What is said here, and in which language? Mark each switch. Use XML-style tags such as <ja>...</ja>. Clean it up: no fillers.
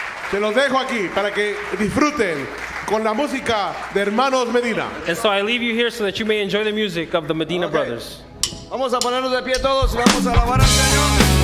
<es>Se los dejo aquí para que disfruten con la música de Hermanos Medina.</es> <en>And so I leave you here so that you may enjoy the music of the Medina okay. Brothers.</en> <es>Vamos a ponernos de pie todos y vamos a alabar al Señor.</es>